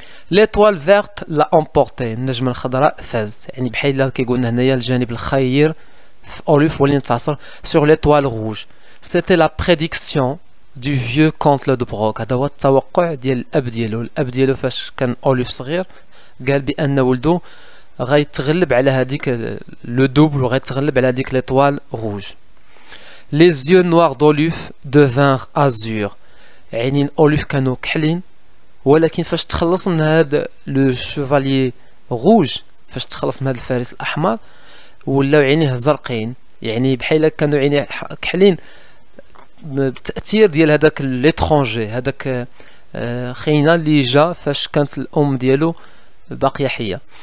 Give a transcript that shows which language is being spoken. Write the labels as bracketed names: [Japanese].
[Arabic] ليتوال فيرت لا امبورتي، النجمة الخضراء فازت، يعني بحال اللي كيقولنا هنايا الجانب الخير في اوليف هو اللي انتصر سور ليتوال غوج. سيتي لا بريديكسيون دو فيو كونت لو دو بروك، هذا هو التوقع ديال الاب ديالو. الاب ديالو فاش كان اوليف صغير قال بان ولدو غيتغلب على هذيك لو دوبل وغيتغلب على هذيك ليتوال غوج. [French] Les yeux noirs d'Oluf devinrent azur. [Arabic] عينين أوليف كانوا كحلين، ولكن فاش تخلص من هاد لو شوفاليي روج، فاش تخلص من هاد الفارس الأحمر، ولاو عينيه زرقين، يعني بحال كانوا عينيه كحلين بالتأثير ديال هذاك ليترونجي، هذاك خينا اللي جا فاش كانت الأم ديالو باقية حية.